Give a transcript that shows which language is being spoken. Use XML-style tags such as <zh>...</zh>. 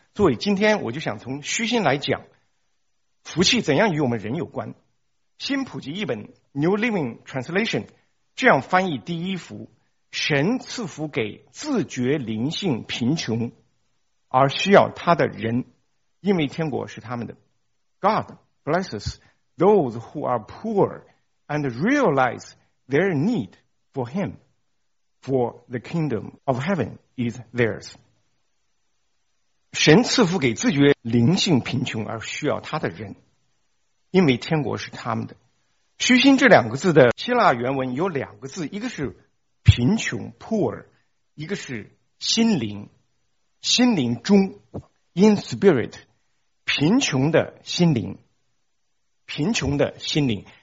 <zh>所以今天我就想从虚心来讲福气怎样与我们人有关。新普及译本 New Living Translation 这样翻译第一福：神赐福给自觉灵性贫穷而需要他的人，因为天国是他们的。</zh> <en>God blesses those who are poor and realize their need for him, for the kingdom of heaven is theirs.</en> <zh>神赐福给自觉灵性贫穷而需要他的人，因为天国是他们的。虚心这两个字的希腊原文有两个字，一个是贫穷 poor, 一个是心灵，心灵中 in spirit, 贫穷的心灵，贫穷的心灵。</zh>